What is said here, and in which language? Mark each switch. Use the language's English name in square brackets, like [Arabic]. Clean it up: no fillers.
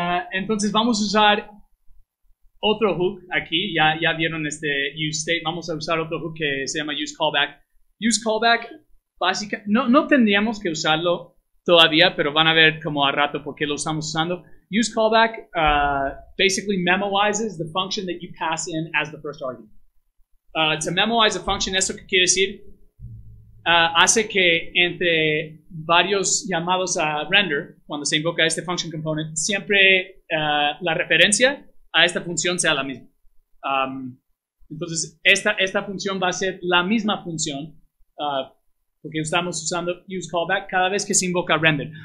[Spanish] Entonces vamos a usar otro hook aquí, ya vieron este useState, vamos a usar otro hook que se llama useCallback. useCallback, básicamente, no tendríamos que usarlo todavía, pero van a ver como a rato por qué lo estamos usando. [English] useCallback basically memoizes the function that you pass in as the first argument. To memoize a function, [Spanish] ¿eso qué quiere decir? Hace que entre varios llamados a render, cuando se invoca este function component, siempre la referencia a esta función sea la misma. Entonces, esta función va a ser la misma función, porque estamos usando useCallback cada vez que se invoca render.